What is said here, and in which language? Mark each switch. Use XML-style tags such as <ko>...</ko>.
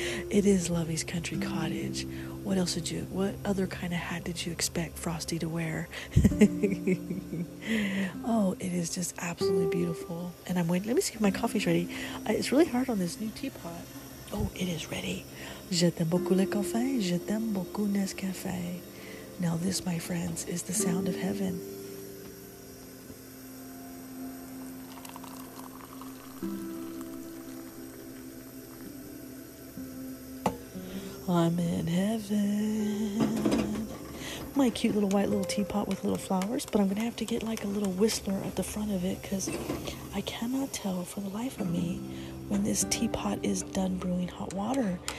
<en>It is Lovey's Country Cottage. What else did you, what other kind of hat did you expect Frosty to wear? Oh, it is just absolutely beautiful. And I'm waiting, let me see if my coffee's ready. It's really hard on this new teapot. Oh, it is ready.</en> <fr>Je t'aime beaucoup le café, je t'aime beaucoup Nescafé.</fr> <en>Now this, my friends, is the sound of heaven. I'm in heaven. My cute little white little teapot with little flowers, but I'm going to have to get like a little whistler at the front of it because I cannot tell for the life of me when this teapot is done brewing hot water.</en>